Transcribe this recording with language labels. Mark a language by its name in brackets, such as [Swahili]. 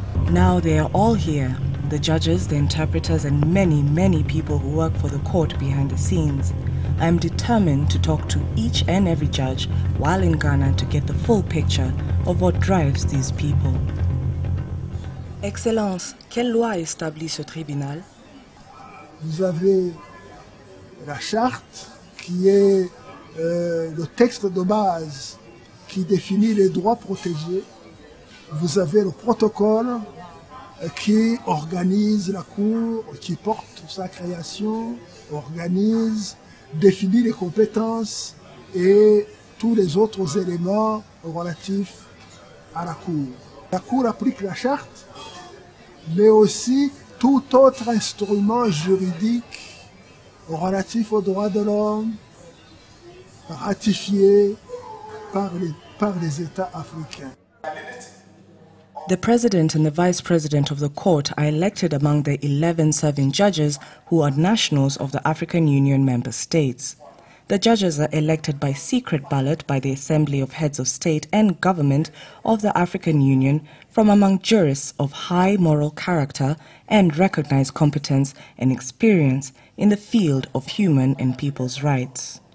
[English] Now they are all here, the judges, the interpreters, and many, many people who work for the court behind the scenes. I am determined to talk to each and every judge while in Ghana to get the full picture of what drives these people. [French] Excellence, quelle loi établit ce tribunal? Vous avez la charte qui est le texte de base qui définit les droits protégés. Vous avez le protocole qui organise la cour, qui porte sa création, organise, définit les compétences et tous les autres éléments relatifs à la cour. La cour applique la charte, mais aussi tout autre instrument juridique relatif aux droits de l'homme ratifié par les États africains. [English] The president and the vice president of the court are elected among the 11 serving judges who are nationals of the African Union member states. The judges are elected by secret ballot by the Assembly of Heads of State and Government of the African Union from among jurists of high moral character and recognized competence and experience in the field of human and people's rights.